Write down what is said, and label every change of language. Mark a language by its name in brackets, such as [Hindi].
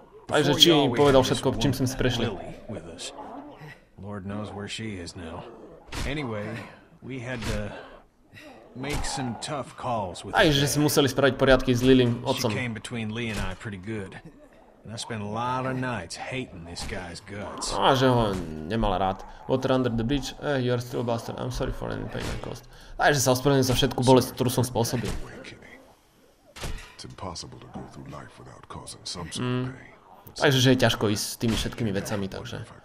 [Slovak] Takže či povedal všetko, čím sme si prešli. [English] Lord knows where she is now. Anyway, we had to make some tough calls with. [Slovak] Aj že si museli spraviť poriadky s Lilym otcom. [English] She came between Lee and I pretty good. And I spent a lot of nights hating this guy's guts. [Slovak] A že ho nemala rád. [English] Water under the bridge, you're still a bastard. I'm sorry for any pain and cost. [Slovak] Aj že sa ospravedlňujem za všetku bolesť, ktorú som spôsobil. [English] It's impossible to go through life without causing some sort of pain. [Slovak] Takže že je ťažko ísť s tými všetkými vecami, takže.